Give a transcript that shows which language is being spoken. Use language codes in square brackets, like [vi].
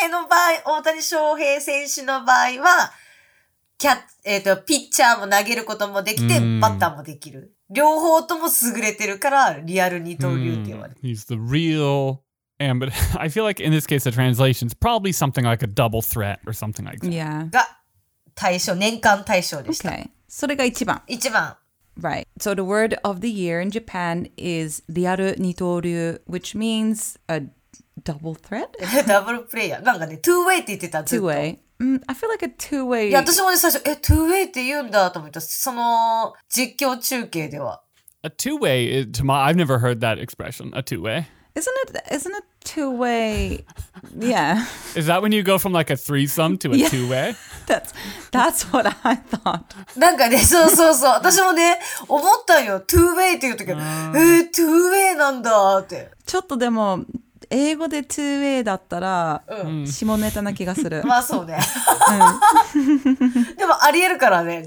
[ja] でも大谷翔平の場合、大谷翔平選手の場合は キャッ、ピッチャーも投げることもできて、バッターもできる。両方とも優れてるから、リアル二刀流って言われる。 [en] He's the real ambidextrous. I feel like in this case, the translation is probably something like a double threat or something like that. Yeah. [ja] が、対象、年間対象でした。 [en] Okay. [ja] それが一番。 [en] Right. So the word of the year in Japan is リアル二刀流, which means a double threat? double player. [ja] なんかね、two-wayって言ってた、ずっと。 [en] Two-way. I feel like a two-way. [ja] いや、私もね、最初、え、two-wayって言うんだと思った。その実況中継では。 [en] A two-way, is, to my, I've never heard that expression, a two-way. Isn't it two-way? Yeah. Is that when you go from like a threesome to a two-way? That's what I thought. [ja] なんかね、そうそうそう。私もね、思ったよ。 two-way って言ったけど、two-way なんだって。ちょっとでも、英語で two-way だったら、下ネタな気がする。まあそうね。でもありえるからね。